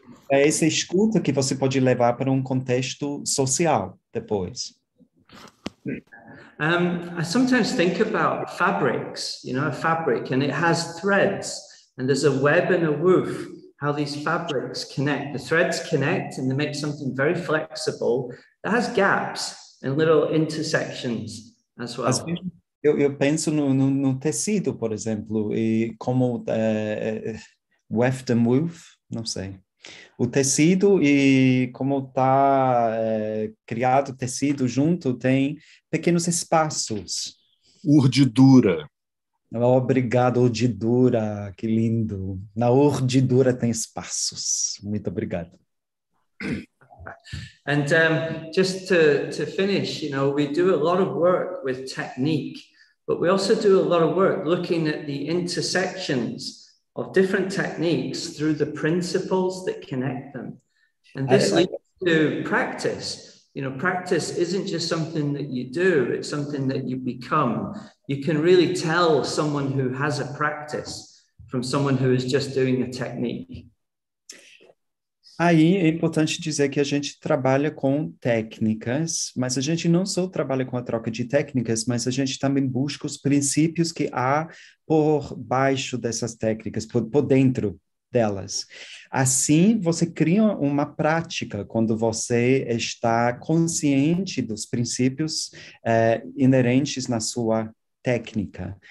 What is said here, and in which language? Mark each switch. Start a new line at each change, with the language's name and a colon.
Portuguese: É essa escuta que você pode levar para um contexto social depois.
English: I sometimes think about fabrics, a fabric, and it has threads, and there's a web and a woof. How these fabrics connect, the threads connect and they make something very flexible that has gaps and little intersections as well.
Portuguese: Eu penso no tecido, por exemplo, e como
English: weft and woof,
Portuguese: não sei. O tecido e como está criado o tecido junto tem pequenos espaços. Urdidura. Obrigado, urdidura, que lindo. Na urdidura tem espaços. Muito obrigado.
English: And just to finish, we do a lot of work with technique, but we also do a lot of work looking at the intersections of different techniques through the principles that connect them. And this leads to practice, You know, practice isn't just something that you do, it's something that you become. You can really tell someone who has a practice from someone who is just doing a technique.
Portuguese: Aí é importante dizer que a gente trabalha com técnicas, mas a gente não só trabalha com a troca de técnicas, mas a gente também busca os princípios que há por baixo dessas técnicas, por dentro delas. Assim, você cria uma prática quando você está consciente dos princípios inerentes na sua técnica.